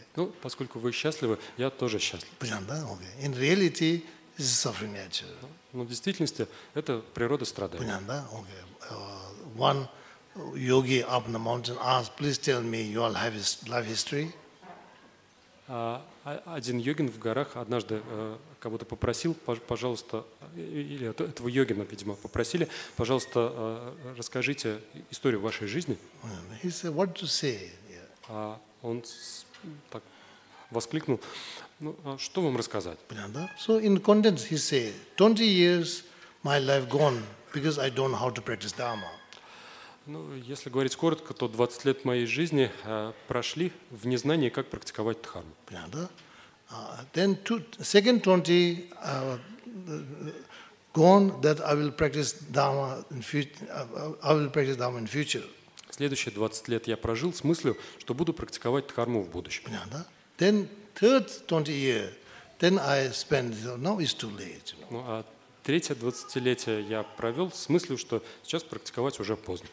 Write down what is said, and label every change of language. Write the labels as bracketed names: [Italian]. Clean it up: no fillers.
[Russian] Ну, поскольку вы счастливы, я тоже счастлив. Понятно? [English] Okay. In reality, this is suffering nature. [Russian] Но в действительности это природа страдает. Понятно? [English] Okay. One yogi up the mountain asked, please tell me your life history. [Russian] Один йогин в горах однажды кого-то попросил, пожалуйста, или этого йогина, видимо, попросили, пожалуйста, расскажите историю вашей жизни. [English] He said, what to say? [Russian] Он так воскликнул, ну, что вам рассказать? Понятно? [English] So in content he said, 20 years my life gone because I don't know how to practice Dharma. [Russian] Ну, если говорить коротко, то 20 лет моей жизни прошли в незнании, как практиковать дхарму. Понятно? [English] Then second 20 gone that I will practice dharma in future. I will practice dharma in future. [Russian] Следующие 20 лет я прожил с мыслью, что буду практиковать дхарму в будущем. Понятно? [English] Then third 20 year, then I spend. Now it's too late. [Russian] Ну, а третье 20-летие я провел с мыслью, что сейчас практиковать уже поздно.